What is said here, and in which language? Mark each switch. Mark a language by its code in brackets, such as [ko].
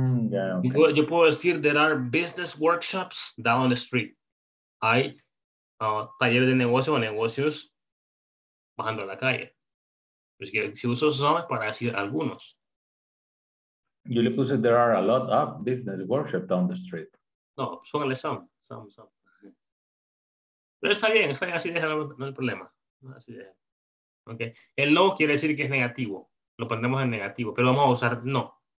[en] Yeah, okay. [es] Yo puedo decir [en] there are business workshops down the street. [es] Hay talleres de negocio o negocios bajando a la calle. Pues que, si uso some para decir algunos. Yo le puse [en] there are a lot of business workshops down the street. [es] No, póngale some. Pero está bien, así déjalo, no hay problema. Así déjalo. Okay. El no quiere decir que es negativo. Lo pondremos en negativo, pero vamos a usar no.